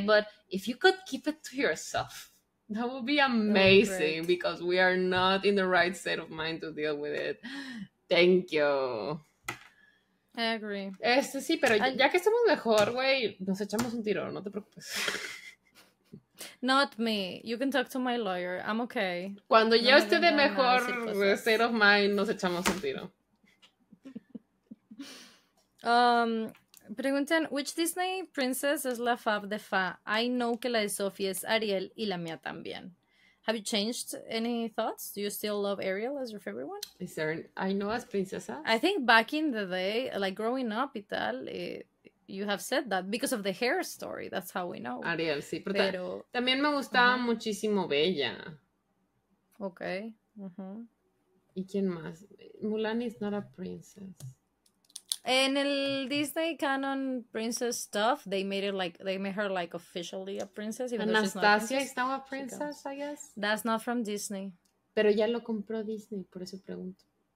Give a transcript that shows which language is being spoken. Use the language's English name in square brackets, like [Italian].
[English] But if you could keep it to yourself, that would be amazing, oh, because we are not in the right state of mind to deal with it. Thank you. I agree. [Spanish] Sí, pero ya que estamos mejor, güey, nos echamos un tiro, no te preocupes. [English] Not me. You can talk to my lawyer. I'm okay. [Spanish] Cuando ya esté de mejor [English] state of mind, [Spanish] nos echamos un tiro. Preguntan, [English] which Disney princess is [Spanish] la fav de [English] Fa? I know [Spanish] que la de Sophie es Ariel y la mía también. [English] Have you changed any thoughts? Do you still love Ariel as your favorite one? Is there I know as princesa? I think back in the day, like growing up [Spanish] y tal, [English] you have said that because of the hair story. That's how we know. [Spanish] Ariel, sí. Pero también me gustaba muchísimo Bella. [English] Okay. [Spanish] ¿Y quién más? [English] Mulan is not a princess. In the Disney canon princess stuff, they made it like they made her like officially a princess. Even Anastasia is now a princess, I guess. That's not from Disney. [Spanish] Pero ya lo compró Disney, por eso pregunto.